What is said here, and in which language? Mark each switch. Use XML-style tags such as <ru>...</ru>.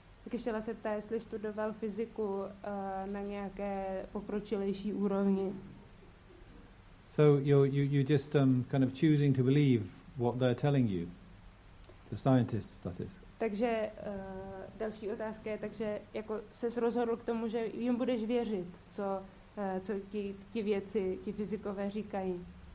<cs>Kyšela se ptá, jestli studoval fyziku na nějaké pokročilejší úrovni.</cs> <en>So you're just kind of choosing to believe what they're telling you, the scientists, that is.</en> <cs>Takže další otázka je, takže jako ses rozhodl k tomu, že jim budeš věřit, co ti věci, ti fyzikové říkají.</cs>